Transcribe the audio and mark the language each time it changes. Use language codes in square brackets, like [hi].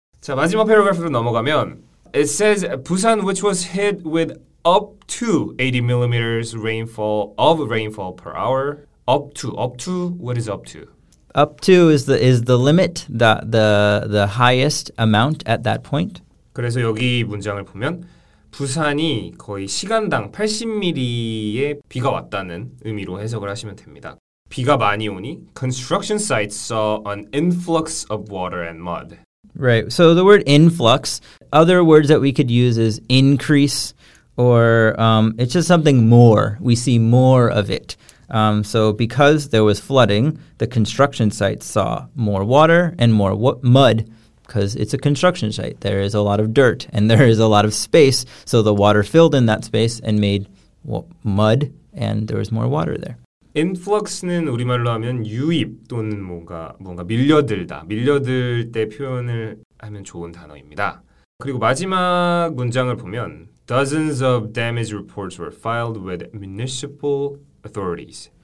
[ko] 자, 마지막 paragraph로 넘어가면, [en] it says Busan, which was hit with up to 80 millimeters rainfall per hour. Up to, what is up to? Up to is the limit, the highest amount at that point. [ko] 그래서 여기 문장을 보면 부산이 거의 시간당 80mm의 비가 왔다는 의미로 해석을 하시면 됩니다. 비가 많이 오니 [en] construction sites saw an influx of water and mud. Right. So the word influx, other words that we could use is increase or it's just something more. We see more of it. So because there was flooding, the construction sites saw more water and more mud because it's a construction site. There is a lot of dirt and there is a lot of space. So the water filled in that space and made mud and there was more water there. [ko] Influx는 우리말로 하면 유입 또는 뭔가 밀려들다, 밀려들 때 표현을 하면 좋은 단어입니다. 그리고 마지막 문장을 보면 [en] Dozens of damage reports were filed with municipal authorities.